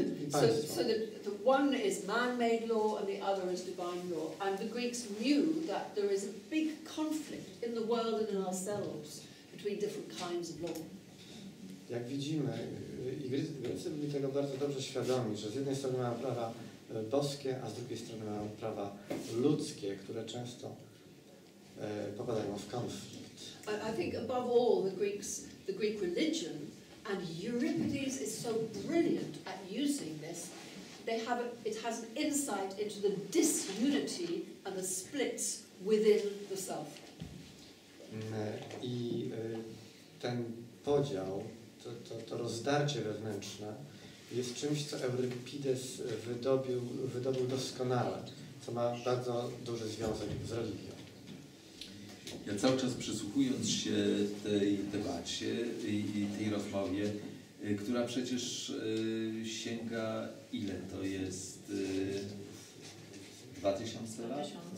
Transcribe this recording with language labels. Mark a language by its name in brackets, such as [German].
[English] So the one is man-made law and the other is divine law. And the Greeks knew that there is a big conflict in the world and in ourselves between different kinds of law. [Polish] Jak widzimy, i Grecy byli tego bardzo dobrze świadomi, że z jednej strony mają prawa boskie, a z drugiej strony mają prawa ludzkie, które często popadają w konflikt. [English] I think above all the Greek religion, and Euripides is so brilliant at using this, it has an insight into the disunity and the splits within the self. [Polish] I ten podział, to rozdarcie wewnętrzne jest czymś, co Euripides wydobył doskonale, co ma bardzo duży związek z religią. Ja cały czas przysłuchując się tej debacie i tej rozmowie, która przecież sięga, ile to jest, 2000 lat?